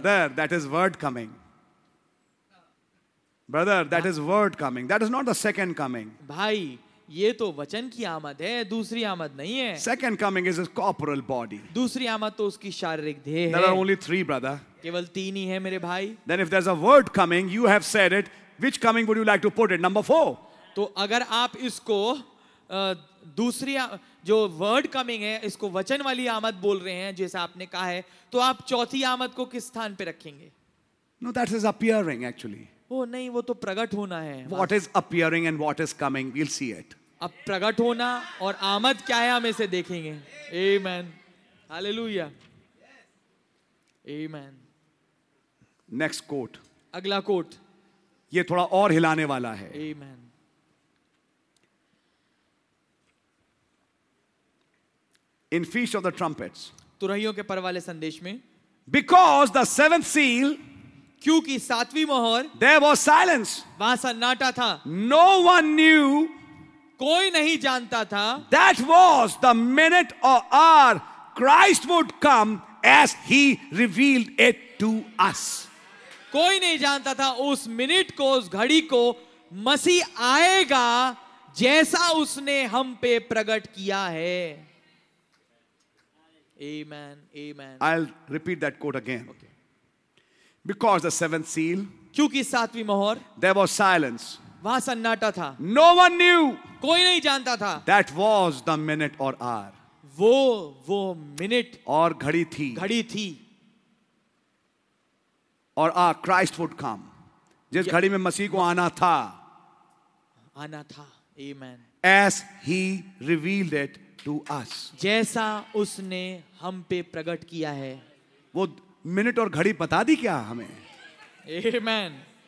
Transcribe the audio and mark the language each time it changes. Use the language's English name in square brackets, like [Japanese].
[English] Brother, that is word coming. Brother, that is word coming. That is not the second coming. [Hindi] भाई, ये तो वचन की आमद है, दूसरी आमद नहीं है. [English] Second coming is his corporal body. [Hindi] दूसरी आमद तो उसकी शारीरिक देह है. [English] There are only three, brother. [Hindi] केवल तीन ही है मेरे भाई. [English] Then if there's a word coming, you have said it. Which coming would you like to put it? Number four. [Hindi] तो अगर आप इसको दूसरी जो वर्ड कमिंग है इसको वचन वाली आमद बोल रहे हैं जैसे आपने कहा है तो आप चौथी आमद को किस स्थान पे रखेंगे? [English] No, that is appearing actually. [Hindi] ओ नहीं, वो तो प्रकट होना है. [English] What is appearing and what is coming? We'll see it. [Hindi] अब प्रकट होना और आमद क्या है हम इसे देखेंगे. [English] Amen. Hallelujah. Amen. Next quote. [Hindi] अगला कोट. ये थोड़ा और हिलाने वाला है. [English] Amen. In Feast of the Trumpets. [Hindi] तुरहियों के परवाले संदेश में. [English] Because the seventh seal. [Hindi] क्योंकि सातवीं मोहर. [English] There was silence. [Hindi] वहां सन्नाटा था. [English] No one knew. [Hindi] कोई नहीं जानता था. [English] That was the minute or hour Christ would come as he revealed it to us. [Hindi] कोई नहीं जानता था उस मिनट को, उस घड़ी को, मसीह आएगा जैसा उसने हम पे प्रकट किया है. [English] Amen, amen. I'll repeat that quote again. Okay. Because the seventh seal. [Hindi] क्योंकि सातवीं मोहर. [English] There was silence. [Hindi] वहां सन्नाटा था. [English] No one knew. [Hindi] कोई नहीं जानता था. [English] That was the minute or hour. [Hindi] वो मिनट और घड़ी थी. घड़ी थी. [English] और Christ would come. [Hindi] जिस घड़ी में मसीह को आना था. आना था. Amen. [English] As he revealed it. To us. [Hindi] जैसा उसने हम पे प्रकट किया है. वो मिनट और घड़ी बता दी क्या हमें? [English] Amen.